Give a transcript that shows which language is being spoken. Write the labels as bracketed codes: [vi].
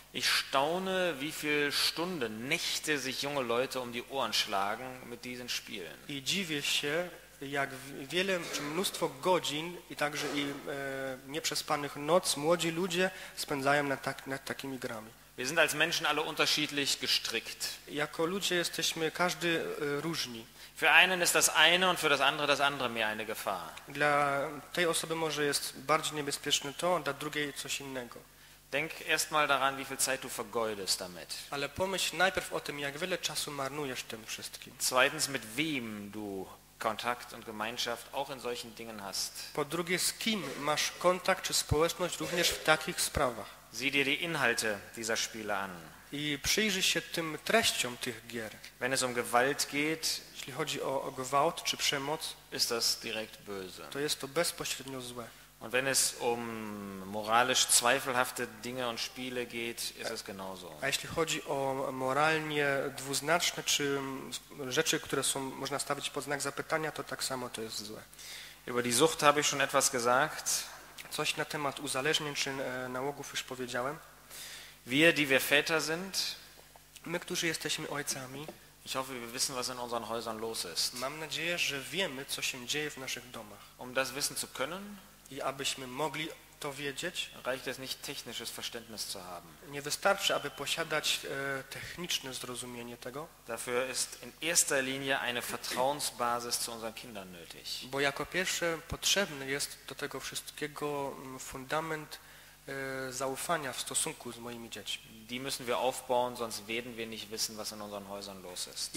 [de] Ich staune, wie viele Stunden, Nächte sich junge Leute um die Ohren schlagen mit diesen Spielen. [pl] I dziwię się, jak wiele, czy mnóstwo godzin i także i nieprzespanych noc młodzi ludzie spędzają nad takimi grami. [de] Wir sind als Menschen alle unterschiedlich gestrickt. [pl] Jako ludzie jesteśmy każdy różni. [de] Für einen ist das eine und für das andere mehr eine Gefahr. [pl] Dla tej osoby może jest bardziej niebezpieczne to, dla drugiej coś innego. [de] Denk erstmal daran, wie viel Zeit du vergeudest damit. [pl] Ale pomyśl najpierw o tym, jak wiele czasu marnujesz tym wszystkim. [de] Zweitens, mit wem du Kontakt und Gemeinschaft auch in solchen Dingen hast. [pl] Po drugie, z kim masz kontakt czy społeczność również w takich sprawach. [de] Sieh dir die Inhalte dieser Spiele an. [pl] I przyjrzyj się tym treściom tych gier. [de] Wenn es um Gewalt geht, [pl] jeśli chodzi o gewalt czy przemoc, [de] ist das direkt böse. [pl] To jest to bezpośrednio złe. [de] Und wenn es um moralisch zweifelhafte Dinge und Spiele geht, ist es genauso. [pl] A jeśli chodzi o moralnie dwuznaczne czy rzeczy, które są można stawić pod znak zapytania, to tak samo to jest złe. [de] Über die Sucht habe ich schon etwas gesagt. [pl] Coś na temat uzależnień czy nałogów już powiedziałem. [de] Wir, die wir Väter sind, [pl] my, którzy jesteśmy ojcami, [de] ich hoffe, wir wissen, was in unseren Häusern los ist. [pl] Mam nadzieję, że wiemy, co się dzieje w naszych domach. [de] Um das wissen zu können, [pl] i abyśmy mogli to wiedzieć, [de] reicht es nicht, technisches Verständnis zu haben. [pl] Nie wystarczy, aby posiadać techniczne zrozumienie tego. [de] Dafür ist in erster Linie eine Vertrauensbasis zu unseren Kindern nötig. [pl] Bo jako pierwsze potrzebny jest do tego wszystkiego fundament zaufania w stosunku z moimi dziećmi. [de] Die müssen wir aufbauen, sonst werden wir nicht wissen, was in unseren Häusern los ist.